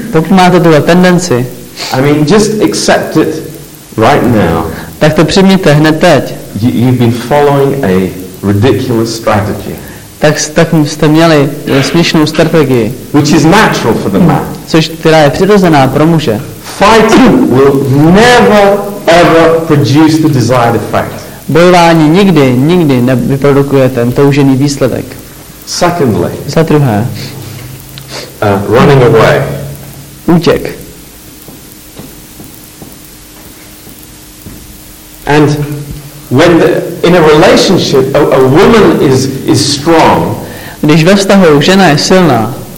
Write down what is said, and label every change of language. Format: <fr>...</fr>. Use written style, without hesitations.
<cs>Pokud máte tuhle tendenci.</cs> <en>I mean, just accept it right now.</en> <cs>Tak to přijměte hned teď.</cs> <en>You've been following a ridiculous strategy.</en> <cs>Tak jste měli směšnou strategii.</cs> <en>Which is natural for the man.</en> <cs>Což která je přirozená pro muže.</cs> <en>Fighting will never ever produce the desired effect.</en> <cs>Bojování nikdy nevyprodukuje ten toužený výsledek.</cs> <en>Secondly.</en> <cs>Za druhé.</cs> <en>Running away.</en> <cs>Útěk.</cs> <en>And when in a relationship a woman is strong,</en> <cs>když ve vztahu žena je silná,</cs>